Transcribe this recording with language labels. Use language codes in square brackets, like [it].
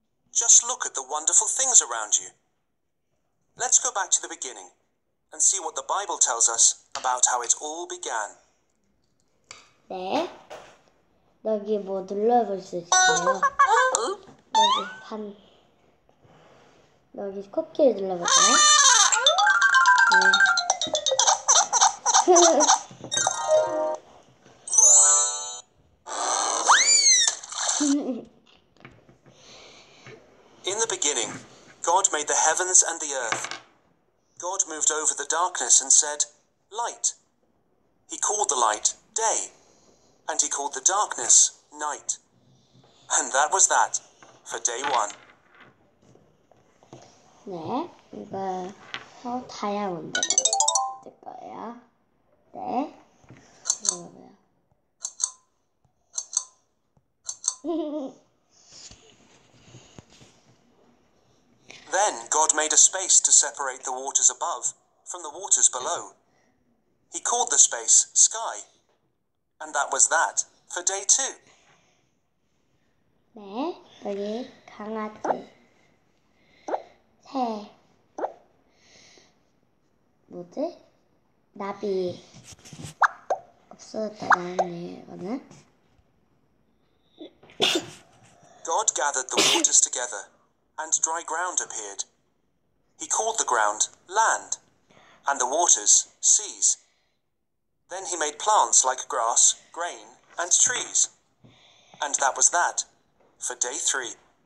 [en] Just look at the wonderful things around you. Let's go back to the beginning and see what the Bible tells us about how it all began. [ko] 네, 여기 뭐 눌러볼 수 있어요. 여기 반, 여기 코끼리 눌러볼까요? 네. [en] In the beginning, God made the heavens and the earth. God moved over the darkness and said, Light. He called the light day, and he called the darkness night. And that was that for day one. [ko] 네, 이거 다양한 데가 있을 거예요. 네, 이거 뭐야? [en] Then God made a space to separate the waters above from the waters below. He called the space sky. And that was that for day two. [ko] 네, 여기 강아지. 새, 뭐지? 나비 없어졌다 나왔네, 이거는. [en] God gathered the waters together, and dry ground appeared. He called the ground land, and the waters seas. Then he made plants like grass, grain, and trees. And that was that for day three.